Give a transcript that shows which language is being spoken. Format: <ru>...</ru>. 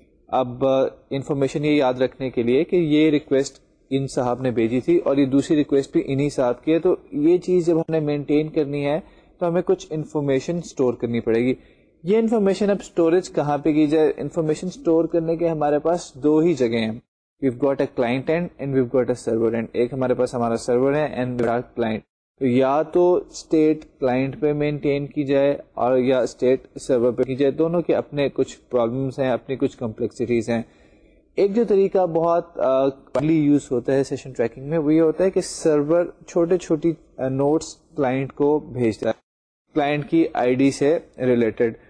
<ur>اب انفارمیشن یہ یاد رکھنے کے لیے کہ یہ ریکویسٹ ان صاحب نے بھیجی تھی اور یہ دوسری ریکویسٹ بھی انہی صاحب کی ہے. تو یہ چیز جب ہم نے مینٹین کرنی ہے تو ہمیں کچھ انفارمیشن اسٹور کرنی پڑے گی. یہ انفارمیشن اب اسٹوریج کہاں پہ کی جائے؟ انفارمیشن اسٹور کرنے کے ہمارے پاس دو ہی جگہیں ہیں.</ur> <en>We've got a client and we've got a server and.</en> <ur>ایک ہمارے پاس ہمارا سرور ہے</ur> <en>And we have client.</en> <ur>تو یا تو اسٹیٹ کلائنٹ پہ مینٹین کی جائے اور یا اسٹیٹ سرور پہ کی جائے. دونوں کے اپنے کچھ پرابلمس ہیں اپنی کچھ کمپلیکسٹیز ہیں. ایک جو طریقہ بہت کامنلی یوز ہوتا ہے سیشن ٹریکنگ میں وہ یہ ہوتا ہے کہ سرور چھوٹے چھوٹی نوٹس کلائنٹ کو بھیجتا ہے کلائنٹ کی آئی ڈی سے ریلیٹڈ.</ur>